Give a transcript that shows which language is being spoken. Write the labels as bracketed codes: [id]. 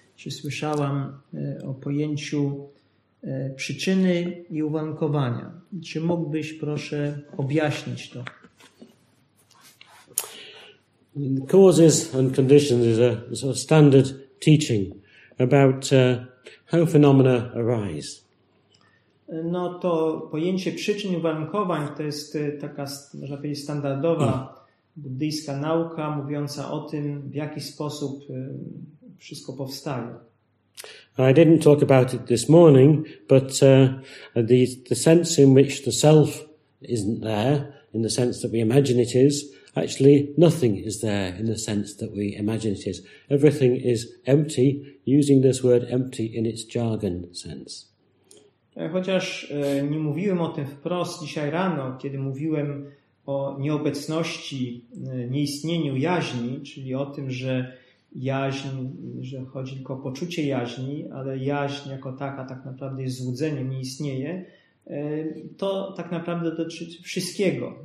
[pl] Słyszałam o pojęciu przyczyny i uwarunkowania. Czy mógłbyś, proszę, objaśnić to? [en] Causes and conditions is a sort of standard teaching about how phenomena arise. [pl] No to pojęcie przyczyn i uwarunkowań to jest taka, można powiedzieć, standardowa buddyjska nauka mówiąca o tym, w jaki sposób wszystko powstaje. [en] I didn't talk about it this morning, but the sense in which the self isn't there, in the sense that we imagine it is, actually nothing is there in the sense that we imagine it is. Everything is empty, using this word empty in its jargon sense. [pl] Chociaż nie mówiłem o tym wprost dzisiaj rano, kiedy mówiłem o nieobecności, nieistnieniu jaźni, czyli o tym, że jaźń, że chodzi tylko o poczucie jaźni, ale jaźń jako taka tak naprawdę jest złudzeniem, nie istnieje, to tak naprawdę dotyczy wszystkiego.